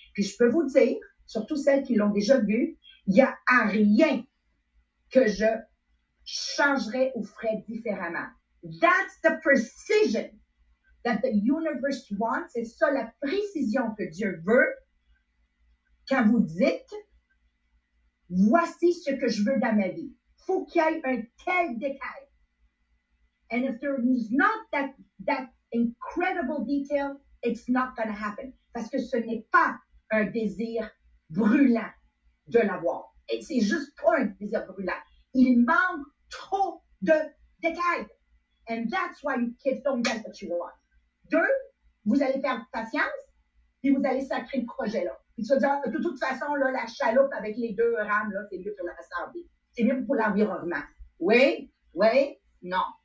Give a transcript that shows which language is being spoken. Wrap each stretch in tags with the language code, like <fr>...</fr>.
<fr>Puis je peux vous dire, surtout celles qui l'ont déjà vu, il n'y a rien que je changerais ou ferais différemment.</fr> <en>That's the precision that the universe wants.</en> <fr>C'est ça la précision que Dieu veut. Quand vous dites, voici ce que je veux dans ma vie. Il faut qu'il y ait un tel détail.</fr> <en>And if there is not that incredible detail, it's not going to happen.</en> <fr>Parce que ce n'est pas un désir brûlant de l'avoir. Et c'est juste pas un désir brûlant. Il manque trop de détails.</fr> <en>And that's why you kids don't get what you want.</en> <fr>Deux, vous allez perdre patience et vous allez sacrer le projet-là. Il se dit, de toute façon, là, la chaloupe avec les deux rames, là, c'est mieux pour la sable. C'est mieux pour l'environnement. Oui, non.</fr>